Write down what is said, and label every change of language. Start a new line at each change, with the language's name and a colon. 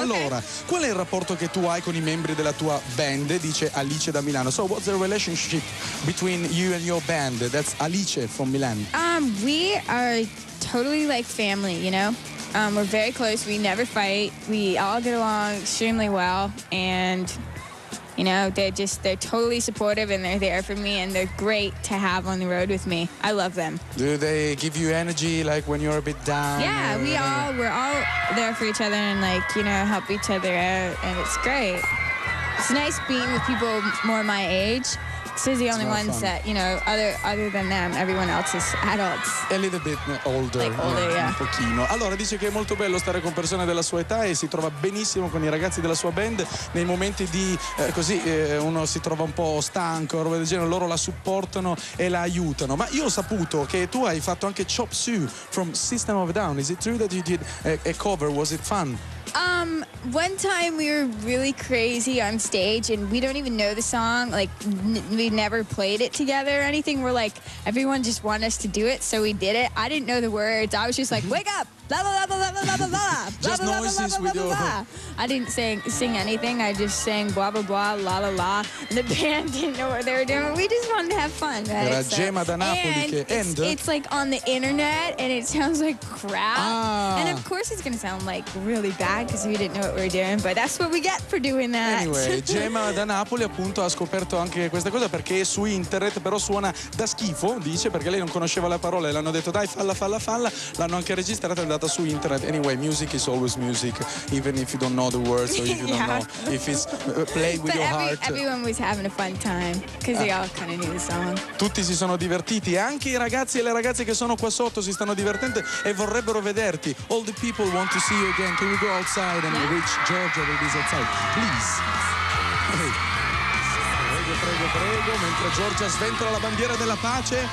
Italian: Allora, qual è il rapporto che tu hai con i membri della tua band? Dice Alice da Milano.
English: So, what's the relationship between you and your band? That's Alice from Milan. We are totally like family, you know? We're very close, we never fight, we all get along extremely well, and You know, they're totally supportive and they're there for me and they're great to have on the road with me. I love them. Do they give you energy like when you're a bit down? Yeah, we're all there for each other and like, you know, help each other out and it's great. It's nice being with people more my age. So the only ones fun. That, you know, other than them, everyone else is adults. A little bit older. Like older, yeah.
Italian: Un pochino. Allora, dice che è molto bello stare con persone della sua età e si trova benissimo con i ragazzi della sua band nei momenti di, uno si trova un po' stanco, roba del genere, loro la supportano e la aiutano. Ma io ho saputo che tu hai fatto anche Chop Suey from System of a Down.
English: Is it true that you did a cover? Was it fun? One time we were really crazy on stage and we don't even know the song, like we never played it together or anything. We're like, everyone just wanted us to do it, so we did it. I didn't know the words. I was just like, wake up, blah blah blah blah blah blah blah blah, just blah noises blah blah blah blah blah blah. I didn't sing anything. I just sang blah blah blah la la la, and the band didn't know what they were doing. We just wanted to have fun, right?
Italian: Era Gemma da Napoli,
English: and
Italian: che
English: it's like on the internet and it sounds like crap. And of course it's gonna sound like really bad because we didn't know what we were doing, but that's what we get for doing that.
Italian: Anyway, Gemma da Napoli appunto ha scoperto anche questa cosa perché è su internet, però suona da schifo, dice, perché lei non conosceva la parola e l'hanno detto dai falla, l'hanno anche registrata, è andata su internet.
English: Anyway, music is always music, even if you don't know the words or if you don't know if it's play with but your heart. Everyone was having a fun time because they all kind of knew the song.
Italian: Tutti si sono divertiti, anche i ragazzi e le ragazze che sono qua sotto si stanno divertendo e vorrebbero vederti.
English: All the people want to see you again. Can we go outside and reach Georgia with this outside, please?
Italian: Prego, mentre Giorgia sventola la bandiera della pace.